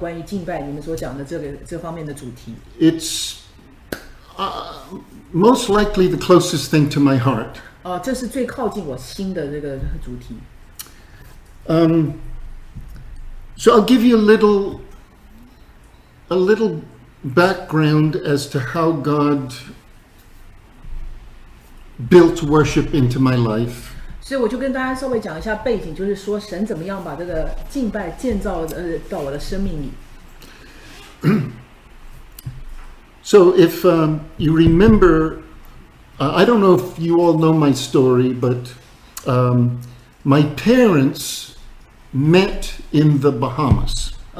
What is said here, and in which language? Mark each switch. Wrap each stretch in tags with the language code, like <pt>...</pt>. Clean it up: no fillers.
<zh>那我很高兴，要讲关于敬拜，你们所讲的这方面的主题。</zh> <en>It's most likely the closest thing to my heart.</en> <zh>这是最靠近我心的这个主题。</zh> <en>So I'll give you a little background as to how God built worship into my life.</en> <zh>所以我就跟大家稍微讲一下背景，就是说神怎么样把这个敬拜建造到我的生命里。</zh> <en>So if you remember, I don't know if you all know my story, but my parents met in the Bahamas.</en>